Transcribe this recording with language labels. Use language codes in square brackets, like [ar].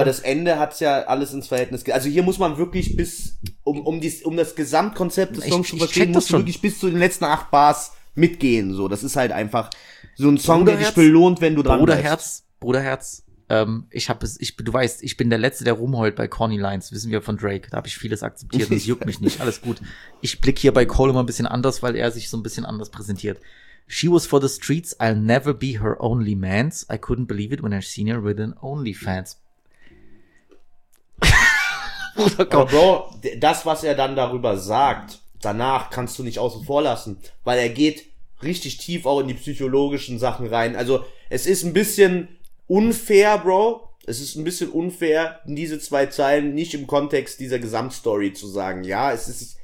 [de] Aber das Ende hat es ja alles ins Verhältnis. Also hier muss man wirklich bis, um das Gesamtkonzept des Songs zu verstehen, muss man wirklich bis zu den letzten 8 Bars mitgehen. So, das ist halt einfach so ein Song, der dich belohnt, wenn du dran Bruderherz, bleibst. Bruderherz, du weißt, ich bin der Letzte, der rumheult bei Corny Lines, wissen wir von Drake. Da habe ich vieles akzeptiert, das juckt mich nicht, alles gut. Ich blicke hier bei Cole immer ein bisschen anders, weil er sich so ein bisschen anders präsentiert. [en] She was for the streets, I'll never be her only mans. I couldn't believe it when I seen her with an OnlyFans. [de] Bruder, komm. Aber Bro, das, was er dann darüber sagt, danach kannst du nicht außen vor lassen, weil er geht richtig tief auch in die psychologischen Sachen rein. Also, es ist ein bisschen unfair, Bro. Es ist ein bisschen unfair, diese zwei Zeilen nicht im Kontext dieser Gesamtstory zu sagen. Ja, es ist